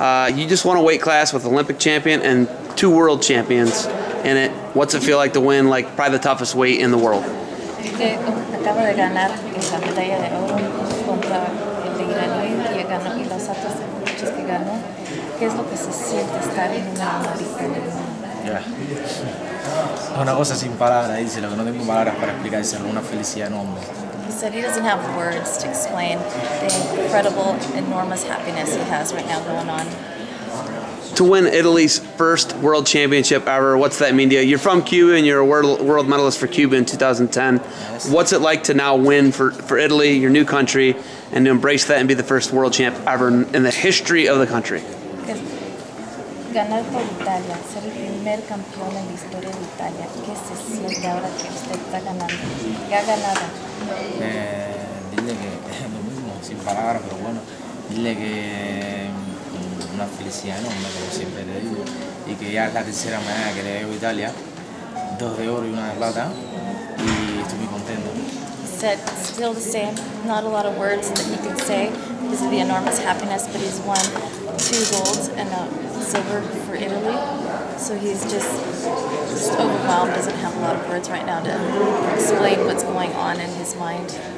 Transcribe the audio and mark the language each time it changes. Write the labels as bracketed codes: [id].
[en] You just won a weight class with Olympic champion and two world champions in it. What's it feel like to win, like, probably the toughest weight in the world? [es] Acabo de ganar la medalla de oro contra el de Irán y ganó y los otros muchos que ganó. ¿Qué es lo que se siente estar en una victoria? Es una cosa sin palabras, dice, lo que no tengo palabras para explicar, es una felicidad enorme. [en] He said he doesn't have words to explain the incredible, enormous happiness he has right now going on. To win Italy's first world championship ever, what's that mean to you? You're from Cuba and you're a world medalist for Cuba in 2010. What's it like to now win for Italy, your new country, and to embrace that and be the first world champ ever in the history of the country? [es] Ganar por Italia, ser el primer campeón en la historia de Italia. ¿Qué se siente ahora que usted está ganando? ¿Ya ha ganado? Dile que es lo mismo, sin palabras, pero bueno. Dile que una felicidad enorme, como siempre te digo. Y que ya es la tercera medalla que le veo a Italia. Dos de oro y una de plata. Y estoy muy contento. [en] Said still the same, not a lot of words that he could say because of the enormous happiness, but he's won two golds and a silver for Italy. So he's just overwhelmed, doesn't have a lot of words right now to explain what's going on in his mind.